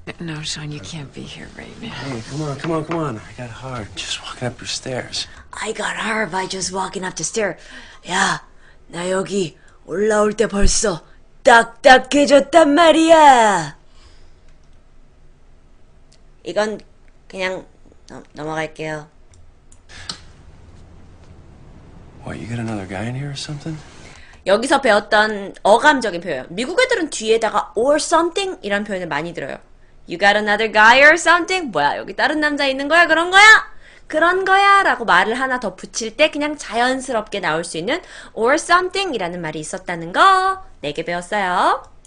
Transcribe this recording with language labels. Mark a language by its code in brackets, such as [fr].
[en] No, Sean, you can't be here right now. Hey, come on, come on, come on. I got hard just walking up your stairs. I got hard by just walking up the stairs. [ko] 야, 나 여기 올라올 때 벌써 딱딱해졌단 말이야. 이건 그냥 넘어갈게요. [en] What, you got another guy in here or something? [ko] 여기서 배웠던 어감적인 표현. 미국 애들은 뒤에다가 or something 이런 표현을 많이 들어요. [en] You got another guy or something? [ko] 뭐야, 여기 다른 남자 있는 거야? 그런 거야? 그런 거야? 라고 말을 하나 더 붙일 때 그냥 자연스럽게 나올 수 있는 or something 이라는 말이 있었다는 거 네 개 배웠어요.